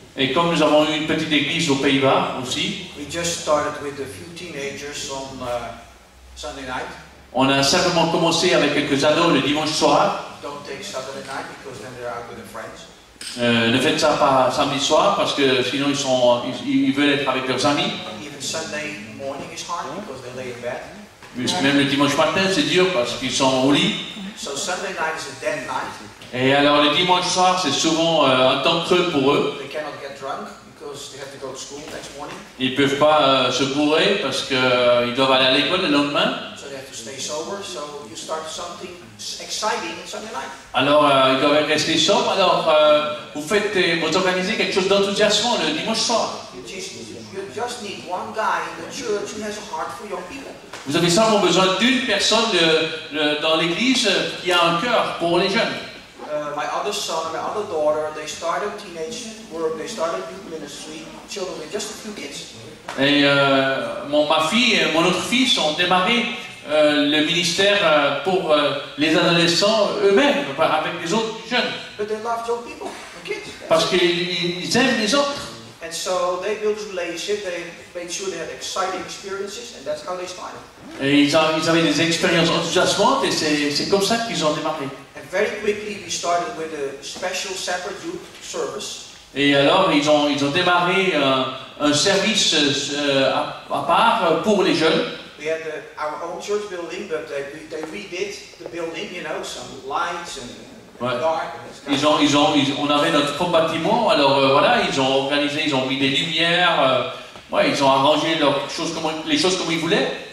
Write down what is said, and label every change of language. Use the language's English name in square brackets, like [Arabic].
[French] Et comme nous avons eu une petite église aux Pays-Bas aussi, [English] we just started with a few teenagers on Sunday night. [French] On a simplement commencé avec quelques ados le dimanche soir. [English] Don't take Saturday night because then they're out with their friends. [French] Ne faites ça pas samedi soir parce que sinon ils veulent être avec leurs amis. [English] Even Sunday morning is hard because they lay in bed. [French] Même le dimanche matin, c'est dur parce qu'ils sont au lit. [English] So Sunday night is a dead night. [French] Et alors le dimanche soir, c'est souvent un temps creux pour eux. [English] They cannot get drunk because they have to go to school next morning. [French] Ils ne peuvent pas se bourrer parce qu'ils doivent aller à l'école le lendemain. [English] So they have to stay sober, so you start something exciting on Sunday night. [French] Alors ils doivent rester sobres, alors vous organisez quelque chose d'enthousiasmant le dimanche soir. [English] You just need one guy in the church who has a heart for young people. [French] Vous avez simplement besoin d'une personne dans l'église qui a un cœur pour les jeunes. [English] My other son, my other daughter, they started teenage work, they started youth ministry, children with just a few kids. [French] Et ma fille et mon autre fils ont démarré le ministère pour les adolescents eux-mêmes, avec les autres jeunes. [English] But they love young people, the kids. [French] Parce qu'ils aiment les autres. [English] And so they built relationships, they made sure they had exciting experiences, and that's how they started. [French] Et ils avaient des expériences enthousiasmantes, et c'est comme ça qu'ils ont démarré. [English] And very quickly we started with a special separate youth service. [French] Et alors ils ont démarré un service à part pour les jeunes. [English] We had our own church building, but they redid the building, you know, some lights and... [French] Ouais. On avait notre propre bâtiment, alors voilà, ils ont organisé, ils ont mis des lumières, ouais, ils ont arrangé les choses comme ils voulaient.